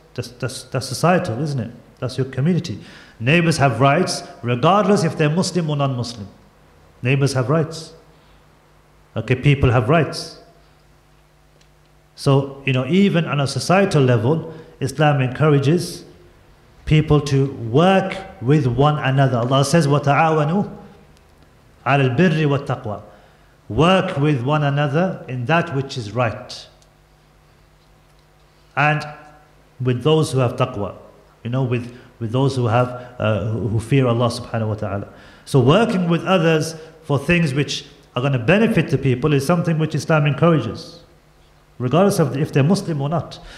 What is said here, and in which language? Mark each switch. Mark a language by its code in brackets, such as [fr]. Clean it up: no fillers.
[en] That's societal, isn't it? That's your community. Neighbors have rights regardless if they're Muslim or non-Muslim. Neighbors have rights. Okay, people have rights. So, you know, even on a societal level, Islam encourages people to work with one another. Allah says, [ar] وَتَعَاوَنُوا عَلَى الْبِرِّ وَالتَّقْوَى. [en] Work with one another in that which is right. And with those who have taqwa, you know, with those who have who fear Allah subhanahu wa ta'ala. So working with others for things which are going to benefit the people is something which Islam encourages, regardless of if they're Muslim or not.